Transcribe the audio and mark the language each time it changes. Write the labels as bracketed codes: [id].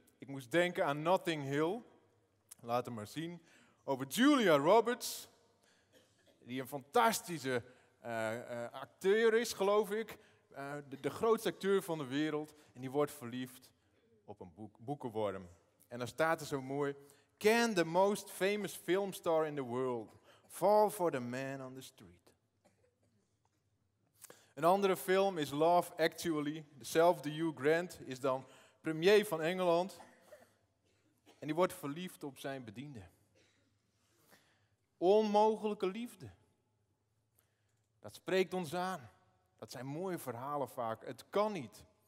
[nl] Ik moest denken aan Notting Hill. Laat hem maar zien. Over Julia Roberts. Die een fantastische acteur is, geloof ik. De grootste acteur van de wereld. En die wordt verliefd op een boekenworm. En dan staat er zo mooi. [en] Can the most famous film star in the world fall for the man on the street? [nl] Een andere film is Love Actually. Dezelfde Hugh Grant is dan premier van Engeland. En die wordt verliefd op zijn bediende. Onmogelijke liefde. Dat spreekt ons aan. Dat zijn mooie verhalen vaak. Het kan niet.